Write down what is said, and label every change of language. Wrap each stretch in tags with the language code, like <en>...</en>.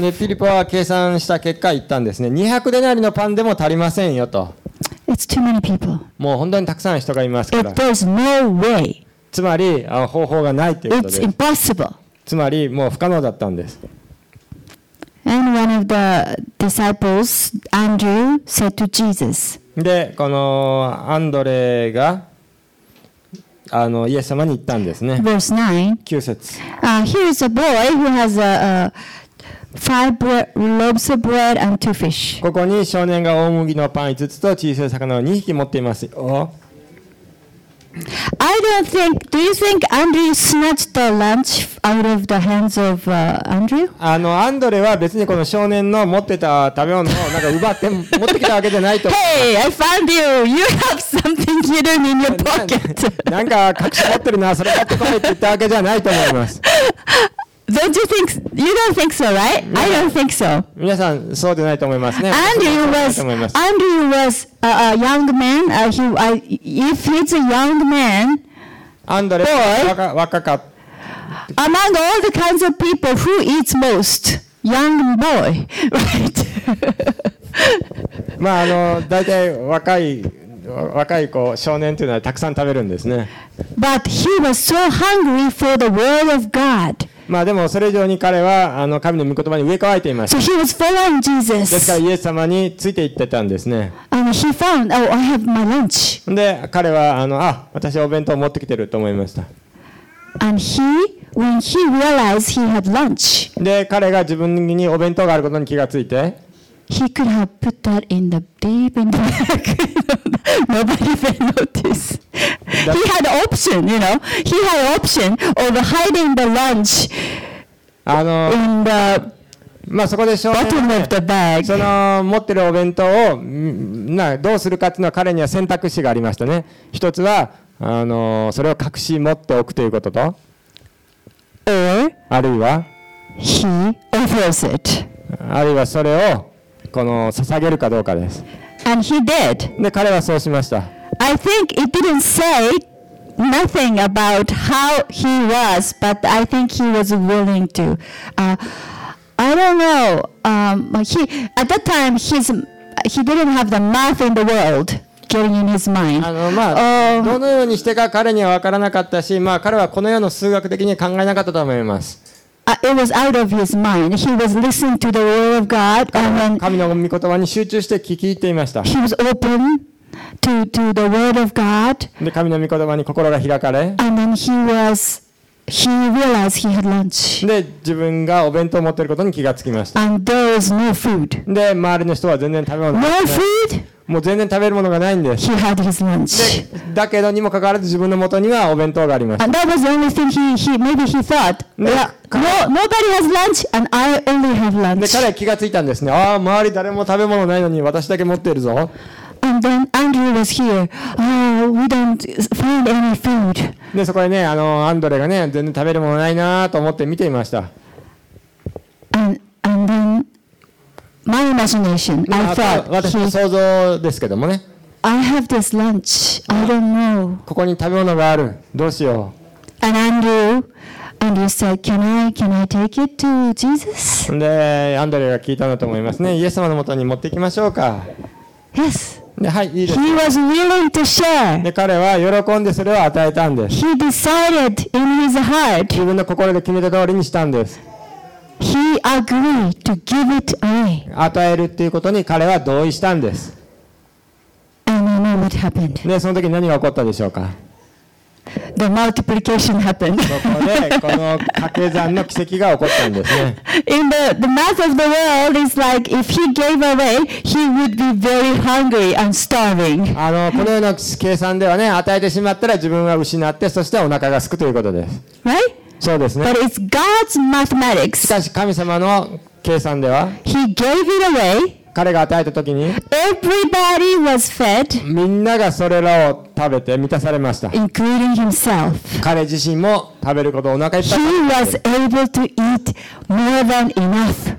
<ja>で、ピリポは計算した結果言ったんですね。200デナリのパンでも足りませんよと。</ja> <en>It's too many people.</en> <ja>もう本当にたくさん人がいますから。</ja> <en>If there's no way.</en> <ja>つまり、方法がないということです。</ja> <en>It's impossible.</en> <ja>つまり、もう不可能だったんです。</ja> <en>And one of the disciples, Andrew, said to Jesus.</en> <ja>で、このアンドレがイエス様に言ったんですね。</ja> <en>Verse 9.</en> <ja>九節。</ja> <en>Here is a boy who has five loaves of bread and two fish.</en> <ja>ここに少年が大麦のパン5つと小さい魚を2匹持っていますよ。</ja> <en>Do you think Andrew snatched the lunch out of the hands of Andrew?</en> <ja>アンドレは別にこの少年の持ってた食べ物をなんか奪って持ってきたわけじゃないと。</ja> <en>Hey, I found you. You have something hidden in your pocket.</en> <ja>なんか隠し持ってるな。それ買ってこいって言ったわけじゃないと思います。</ja> <en>Don't you think? You don't think so, right? I don't think so.</en> <ja>皆さんそうでないと思いますね。</ja> <en>Andrew was a young man. If he's a young man, Andrew, boy,</en> <ja>若か。</ja> <en>Among all the kinds of people, who eats most? Young boy, right?</en> <ja>まあだいたい若い子、少年というのはたくさん食べるんですね。</ja> <en>But he was so hungry for the word of God.</en> <ja>まあ、でもそれ以上に彼は神の御言葉に飢え渇いていました</ja> <en>。So、he was following Jesus.</en> <ja>ですからイエス様について行ってたんですね。</ja> <en>And he found, oh, I have my lunch.</en> <ja>で彼は私お弁当持ってきてると思いました。</ja> <en>And he, when he realized he had lunch,</en> <ja>で彼が自分にお弁当があることに気がついて、</ja> <en>he could have put that in the deep in the back. Nobody would notice. He had an option, you know. He had an option of hiding the lunch in the bottom of the bag.</en> <ja>その持ってるお弁当をどうするかっていうのは彼には選択肢がありましたね。一つはそれを隠し持っておくということと、あるいは</ja> <en>he offers it.</en> <ja>あるいはそれをこの捧げるかどうかです。</ja> <en>And he did.</en> <ja>で彼はそうしました。</ja> <en>I think it didn't say nothing about how he was, but I think he was willing to. I don't know. At that time, he didn't have the math in the world getting in his mind.</en> <ja>どのようにしてか彼には分からなかったし、まあ彼はこの世の数学的に考えなかったと思います。</ja> <en>It was out of his mind. He was listening to the word of God.</en> <ja>神の御言葉に集中して聞き入っていました。</ja> <en>He was open. To the word of God.</en> <ja>で神の御言葉に心が開かれ、</ja> <en>and then he was He realized he had lunch.</en> <ja>で、自分がお弁当を持っていることに気がつきました。</ja> <en>And there is no food.</en> <ja>で、周りの人は全然食べ物がない。</ja> <en>No food?</en> <ja>もう全然食べるものがないんです。</ja> <en>He had his lunch.</en> <ja>で、だけどにもかかわらず自分の元にはお弁当があります。</ja> <en>And that was the only thing maybe he thought. No, nobody has lunch and I only have lunch.</en> <ja>で、彼は気がついたんですね。ああ、周り誰も食べ物ないのに私だけ持っているぞ。</ja> <en>And then Andrew was here. Oh, we don't find any food.</en> <ja>で、そこでね、アンドレがね、全然食べるものないなと思って見ていました。</ja> <en>And then my imagination, I thought,</en> <ja>私の想像ですけどもね。</ja> <en>I have this lunch. I don't know.</en> <ja>ここに食べ物がある。どうしよう。</ja> <en>And Andrew said, can I take it to Jesus?</en> <ja>で、アンドレが聞いたんだと思いますね。イエス様のもとに持っていきましょうか。</ja> <en>Yes.</en> <ja>はい、いいです。</ja> <en>He was willing to share.</en> <ja>で、彼は喜んでそれを与えたんです。</ja> <en>He decided in his heart.</en> <ja>自分の心で決めた通りにしたんです。</ja> <en>He agreed to give it away.</en> <ja>与えるっていうことに彼は同意したんです。</ja> <en>And I know what happened.</en> <ja>で、その時何が起こったでしょうか。</ja> <en>The multiplication happened.</en> <ja>そこでこの掛け算の奇跡が起こったんですね。</ja> <en>In the math of the world is like if he gave away, he would be very hungry and starving.</en> <ja>このような計算ではね、与えてしまったら自分は失って、そしてお腹が空くということです。</ja> <en>Right?</en> <ja>そうですね。</ja> <en>But it's God's mathematics.</en> <ja>しかし神様の計算では、</ja> <en>He gave it away.</en> <ja>彼が与えた時に、</ja> <en>Everybody was fed.</en> <ja>みんながそれらを食べて満たされました。</ja> <en>Including himself.</en> <ja>彼自身も食べることをお腹いっぱい食べて。</ja> <en>He was able to eat more than enough.</en>